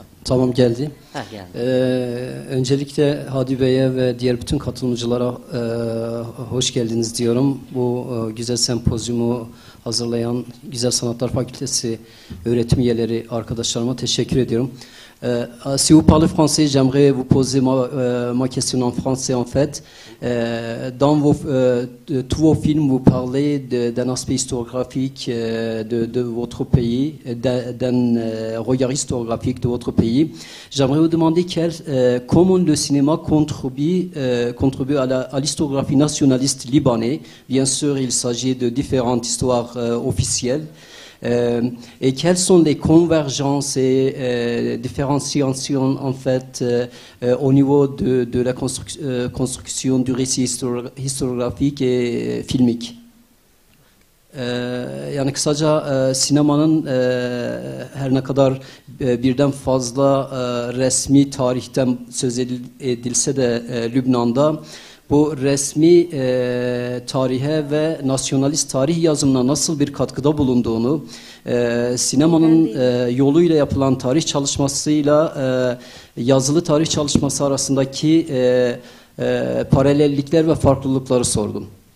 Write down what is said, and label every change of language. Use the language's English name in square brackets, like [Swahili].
[Turkish] Tamam, geldi. Geldi. Öncelikle Hadi Bey'e ve diğer bütün katılımcılara hoş geldiniz diyorum. Bu güzel sempozyumu hazırlayan Güzel Sanatlar Fakültesi öğretim üyeleri arkadaşlarıma teşekkür ediyorum. [French] Si vous parlez français, j'aimerais vous poser ma question en français en fait. Dans vos tous vos films, vous parlez d'un aspect historiographique de votre pays, d'un regard historiographique de votre pays. J'aimerais vous demander comment le cinéma contribue à l'historiographie nationaliste libanaise. Bien sûr, il s'agit de différentes histoires officielles. Et quelles sont les convergences et différenciations en fait au niveau de la construction du récit historiographique et filmique? [Turkish] Yani kısaca sinemanın her ne kadar birden fazla resmi tarihten söz edilse de Lübnan'da bu resmi tarihe ve nasyonalist tarih yazımına nasıl bir katkıda bulunduğunu, sinemanın yoluyla yapılan tarih çalışmasıyla yazılı tarih çalışması arasındaki paralellikler ve farklılıkları sordum.